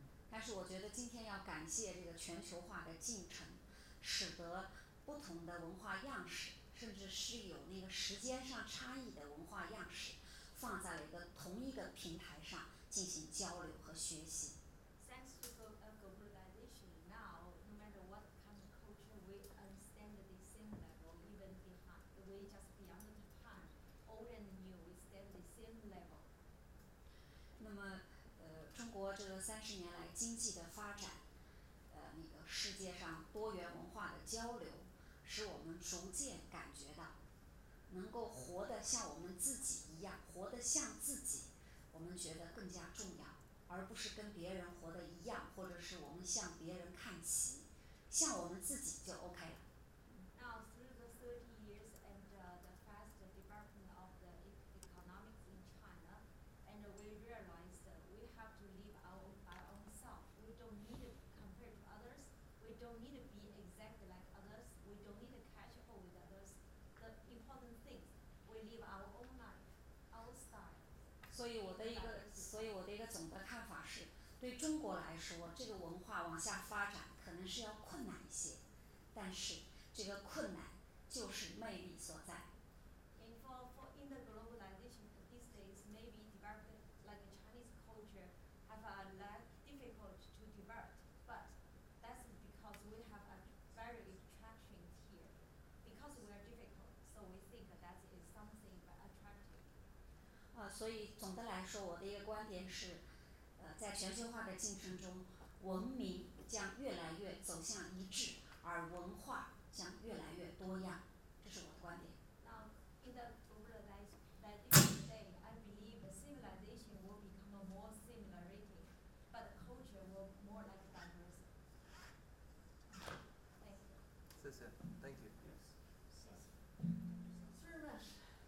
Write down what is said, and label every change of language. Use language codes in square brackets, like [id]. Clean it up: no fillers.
[zh] 但是我觉得今天要感谢这个全球化的进程，使得不同的文化样式，甚至是有那个时间上差异的文化样式，放在了一个同一个平台上进行交流和学习。 [en] Thanks to globalization, now no matter what kind of culture, we understand the same level, even behind, we just beyond the time, old and new, we stand the same level. [zh] 那么，中国这三十年来经济的发展，那个世界上多元文化的交流，使我们逐渐感觉到，能够活得像我们自己一样，活得像自己，我们觉得更加重要，而不是跟别人活得一样，或者是我们向别人看齐，像我们自己就 OK 了。 [en] Now through the 30 years and the fast development of the economics in China, and we realized we have to live by ourselves. We don't need to compare to others. We don't need to be exactly like others. We don't need to catch up with others. The important thing, we live our own life, our style. [zh] 所以我的一个总的看法是，对中国来说，这个文化往下发展可能是要困难一些，但是这个困难就是魅力所在。 [en] And for in the globalization these days, maybe developed like Chinese culture have a lot difficult to develop, but that's because we have a very attraction here. Because we are difficult, so we think that is something attractive. [zh] 所以总的来说，我的一个观点是，在全球化的进程中，文明将越来越走向一致，而文化将越来越多样，这是我的观点。 [en] Now, in the globalization day, I believe civilization will become a more similarity, but culture will more like diversity. Thank you. [zh] 谢谢 ， [en] Thank you. Yes. [zh] 谢谢。 [en] Sriramesh.